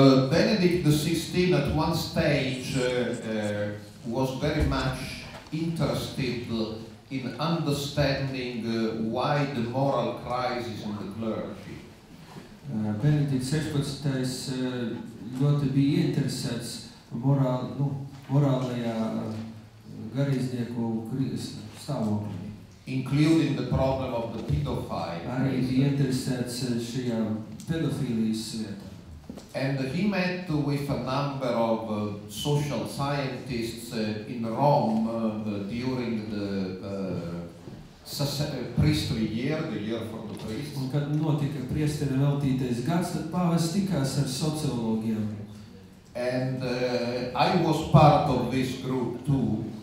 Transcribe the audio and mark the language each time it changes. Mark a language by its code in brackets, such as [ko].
[en] Benedict XVI at one stage was very much interested in understanding why the moral crisis in the clergy. [lv] Benedict XVI ļoti bija interesēts morālajā garīdznieku stāvoklī. [en] Including the problem of the pedophile. [lv] Arī bija interesēts šajā pedofīlijas lietā. [en] And he met with a number of social scientists in Rome during the priestly year, the year for the priests. [lv] Un kad notika priesteri veltītais gads, tad pāvests tikās ar sociologiem. [en] And I was part of this group too.